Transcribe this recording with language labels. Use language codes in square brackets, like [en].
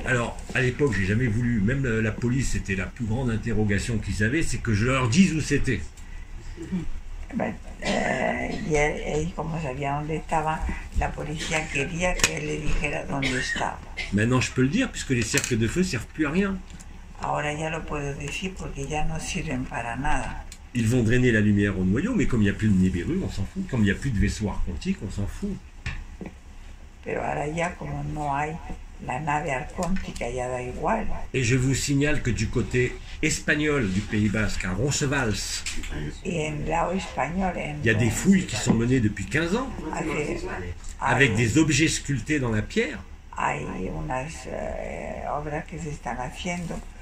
[fr] Alors, à l'époque, j'ai jamais voulu, même la police, c'était la plus grande interrogation qu'ils avaient, c'est que je leur dise où c'était. Et comme ils savaient où c'était, la police voulait qu'elle leur dise où c'était. Maintenant, je peux le dire, puisque les cercles de feu ne servent plus à rien. [es] Ahora ya lo puedo decir porque ya no sirven para nada. [fr] Ils vont drainer la lumière au noyau, mais comme il n'y a plus de Nibiru, on s'en fout. Comme il n'y a plus de vaisseau arcontique, on s'en fout. [es] Pero ahora ya como no hay la nave arcontica, ya da igual. [fr] Et je vous signale que du côté espagnol du Pays Basque, à Roncevals, il y a des fouilles qui sont menées depuis 15 ans, avec des objets sculptés dans la pierre. [es] Hay unas obras que se están haciendo.